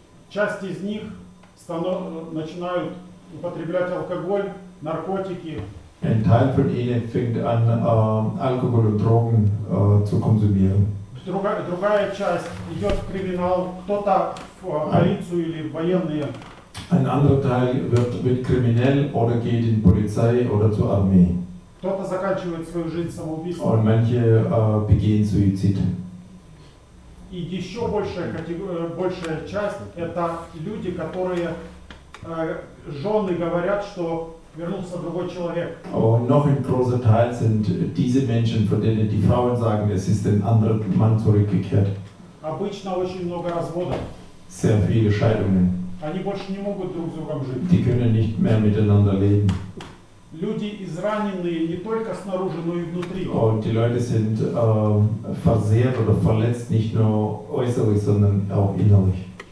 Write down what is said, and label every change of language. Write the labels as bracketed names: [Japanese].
[Russian] Часть из них начинают употреблять алкоголь, наркотики. [German] Ein Teil von ihnen fängt an, Alkohol und Drogen zu konsumieren. [Russian] Другая часть идет в криминал, кто-то в полицию или в военные. [German] Ein anderer Teil wird kriminell oder geht in Polizei oder zur Armee. [Russian] Кто-то заканчивает свою жизнь самоубийством. [German] Und manche begehen Suizid. [Russian] И еще большая часть это люди, которые жены говорят, что вернулся другой человек. [German] Aber noch im großen Teil sind diese Menschen, von denen die Frauen sagen, es ist ein anderer Mann zurückgekehrt. [Russian] Обычно очень много разводов. [German] Sehr viele Scheidungen. [Russian] Они больше не могут друг с другом жить. [German] Die können nicht mehr miteinander leben. [Russian] Люди израненные не только снаружи, но и внутри. [German] Und die Leute sind versehrt oder verletzt, nicht nur äußerlich, sondern auch innerlich.